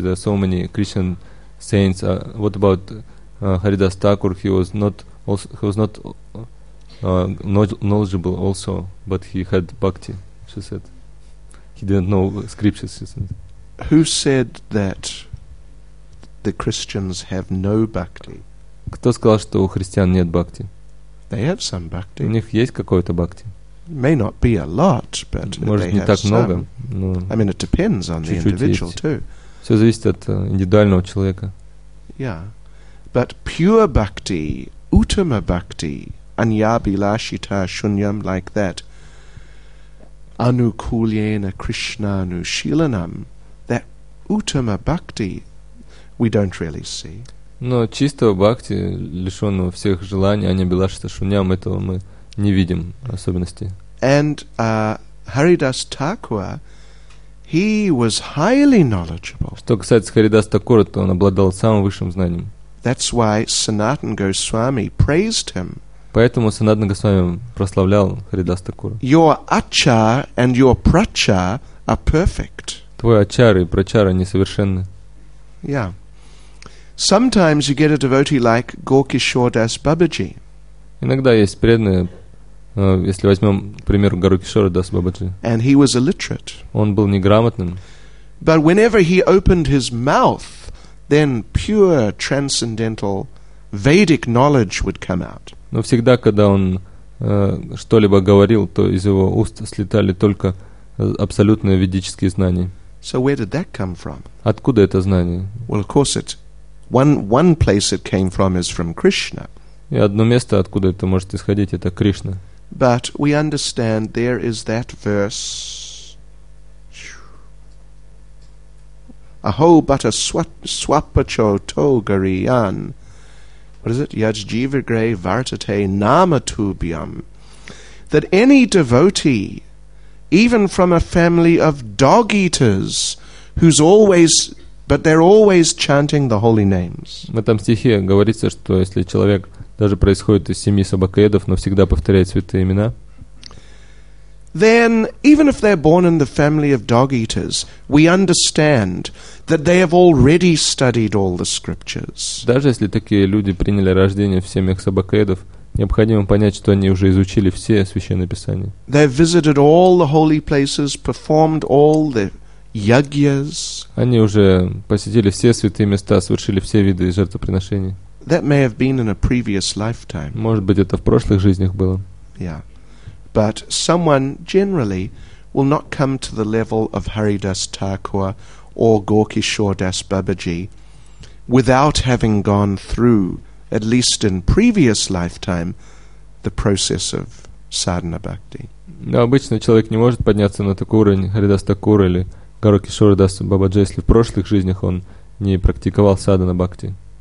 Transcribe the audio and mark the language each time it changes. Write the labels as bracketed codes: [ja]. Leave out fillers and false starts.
[en] There are so many Christian saints. What about Haridas Thakur? He was not knowledgeable also, but he had bhakti. She said he didn't know scriptures. She said. Who said that the Christians have no bhakti? [ru] Кто сказал, что у христиан нет бхакти? [en] They have some bhakti. [ru] У них есть какое-то бхакти. [en] May not be a lot, but [ru] может, [en] they have [ru] много, [en] some. I mean, it depends on the individual [ru] есть. [en] Too. [ru] Все зависит от индивидуального человека. [en] Yeah, but pure bhakti, uttama bhakti, [sa] anyabhilashita shunyam, [en] like that, [sa] anukulyena krishnanushilanam, [en] that uttama bhakti, we don't really see. [ru] Но чистого бхакти, лишенного всех желаний, [sa] анябилашита шуньям, [ru] этого мы не видим особенности. [en] And Haridas Thakur, he was highly knowledgeable. [ru] Что касается Харидас Такура, то он обладал самым высшим знанием. [en] That's why Sanatan Goswami praised him. [ru] Поэтому Санатан Госвами прославлял Харидас Такура. [en] Your achar and your prachar are perfect. [ru] Твой ачар и прачар, они совершенны. [en] Yeah. Sometimes you get a devotee like Gaurkishore Das Babaji. [ru] Иногда есть преданные, если возьмем, к примеру, Гаурикишора Дас Бабаджи. [en] And he was illiterate. [ru] Он был неграмотным. [en] But whenever he opened his mouth, then pure transcendental Vedic knowledge would come out. [ru] Но всегда, когда он что-либо говорил, то из его уст слетали только абсолютные ведические знания. [en] So where did that come from? [ru] Откуда это знание? [en] Well, of course, one place it came from is from Krishna. [ru] И одно место, откуда это может исходить, это Кришна. [en] But we understand there is that verse. [sa] Aho bata swapacho to gariyan. [en] What is it? [sa] Yajjivagre vartate namatubhyam. [en] That any devotee, even from a family of dog eaters, who's always... But they're always chanting the holy names. [ru] В этом стихе говорится, что если человек даже происходит из семьи собакоедов, но всегда повторяет святые имена, [en] then even if they're born in the family of dog eaters, we understand that they have already studied all the scriptures. [ru] Даже если такие люди приняли рождение в семьях собакоедов, необходимо понять, что они уже изучили все священные писания. [en] They've visited all the holy places, performed all the yagyas. [ru] Они уже посетили все святые места, совершили все виды жертвоприношений. [en] That may have been in a previous lifetime. [ru] Может быть, это в прошлых жизнях было. [en] Yeah. But someone generally will not come to the level of Haridas Thakur or Gaurkishore Das Babaji without having gone through, at least in previous lifetime, the process of sadhana bhakti. [ru] Но обычно человек не может подняться на такой уровень Харидас Такур или Гаурикишора Дас Бабаджи, если в прошлых жизнях он не практиковал садхана бхакти.